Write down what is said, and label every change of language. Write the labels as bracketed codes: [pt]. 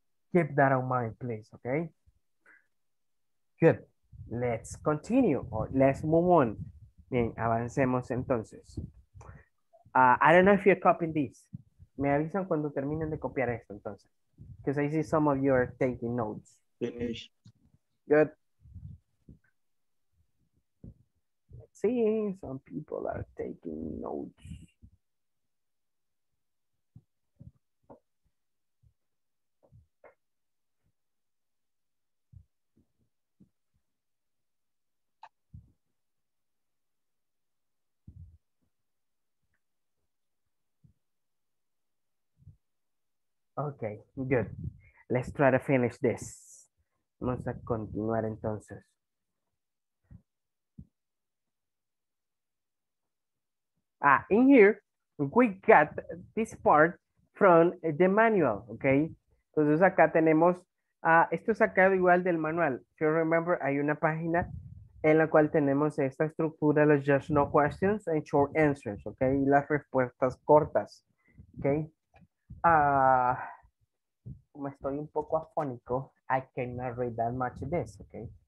[en] Keep that in mind, please, okay? Good. Let's continue or let's move on. [es] Bien, avancemos entonces. [en] I don't know if you're copying this. [es] Me avisan cuando terminen de copiar esto entonces. [en] Because I see some of you are taking notes. Finish. Good. Let's see, some people are taking notes. Okay, good. Let's try to finish this. [es] Vamos a continuar entonces. [en] Ah, in here, we got this part from the manual, okay? [es] Entonces acá tenemos, esto es sacado igual del manual. [en] If you remember, [es] hay una página en la cual tenemos esta estructura, los [en] just no questions and short answers, [es] okay? Y las respuestas cortas, okay? Me estoy un poco afónico, [en] I cannot read that much of this, okay?